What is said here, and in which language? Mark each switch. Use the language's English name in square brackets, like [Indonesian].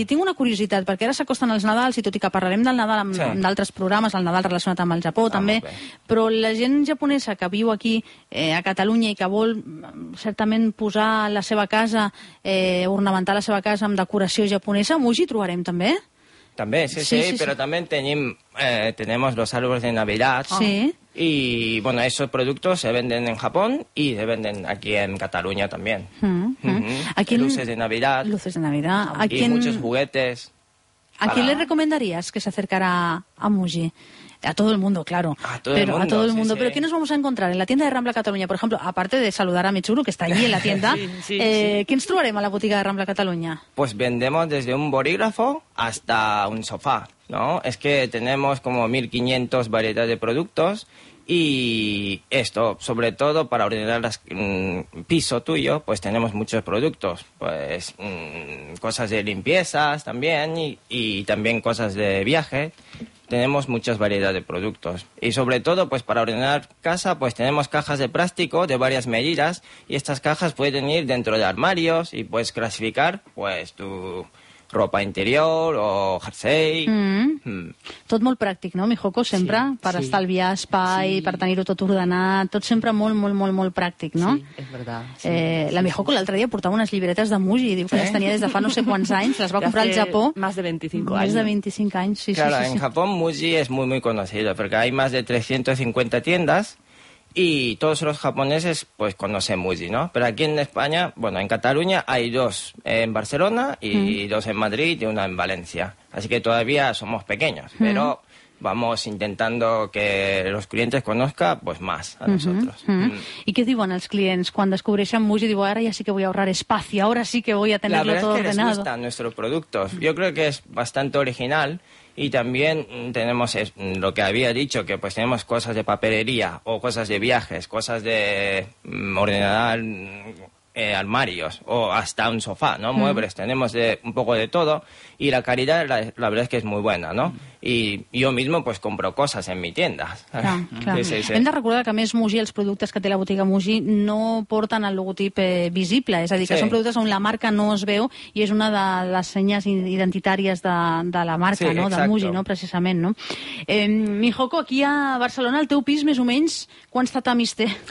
[Catalan] I tinc una curiositat, perquè ara s'acosten els Nadals, i tot i que parlarem del Nadal amb d'altres programes, el Nadal relacionat amb el Japó, també, però la gent japonesa que viu aquí a Catalunya i que vol, certament, posar la seva casa, ornamentar la seva casa amb decoració japonesa, a Muji trobarem, també? També, sí, [Spanish] però també tenemos los árboles de Navidad. Sí. Y bueno, esos productos se venden en Japón y se venden aquí en Cataluña también. Luces de Navidad. Luces de Navidad. Y muchos juguetes. ¿A quién le recomendarías que se acercara a Muji? A todo el mundo, claro. A todo el mundo. Pero ¿qué nos vamos a encontrar en la tienda de Rambla Cataluña? Por ejemplo, aparte de saludar a mi churro, que está allí en la tienda, sí. ¿Qué nos [Catalan] trobarem a la botiga de Rambla Cataluña? [Spanish] Pues vendemos desde un bolígrafo hasta un sofá, ¿no? Es que tenemos como 1.500 variedades de productos. Y esto, sobre todo para ordenar el piso tuyo, pues tenemos muchos productos, pues cosas de limpiezas también y también cosas de viaje. Tenemos muchas variedades de productos. Y sobre todo, pues para ordenar casa, pues tenemos cajas de plástico de varias medidas y estas cajas pueden ir dentro de armarios y puedes clasificar pues tu ropa interior o jersey. [Catalan] Tot molt pràctic, no, mi joco, sempre, sí, per estalviar espai, sí, per tenir-ho tot ordenat, tot sempre molt, molt, molt, molt pràctic, no? Sí, és veritat. La mi joco l'altre dia portava unes llibretes de Muji, diu que les tenia des de fa no sé quants anys, les va comprar al Japó. [Spanish] Más de 25 anys. Más de 25 anys, sí, claro, sí, sí. En Japó Muji és muy, muy conocido, perquè hay más de 350 tiendas y todos los japoneses, pues, conocen Muji, ¿no? Pero aquí en España, bueno, en Cataluña hay dos, en Barcelona y dos en Madrid y una en Valencia. Así que todavía somos pequeños, pero vamos intentando que los clientes conozcan pues más a nosotros. ¿Y qué digo a los clientes cuando descubren Muji? Digo, ahora ya sí que voy a ahorrar espacio, ahora sí que voy a tenerlo todo ordenado. La verdad es que les gustan nuestros productos. Yo creo que es bastante original y también tenemos lo que había dicho, que pues tenemos cosas de papelería o cosas de viajes, cosas de ordenar armarios o hasta un sofá, ¿no? Muebles, tenemos de un poco de todo y la calidad la verdad es que es muy buena, ¿no? Y yo mismo pues compro cosas en mi tienda. Claro, claro. [Catalan] Sí. Hem de recordar que a més Muji, els productes que té la botiga Muji no porten el logotip visible, és a dir, que són productes on la marca no es veu i és una de les senyes identitàries de la marca, sí, no? De Muji, no? Precisament, no? Mijoko, aquí a Barcelona el teu pis més o menys quants tatamis té?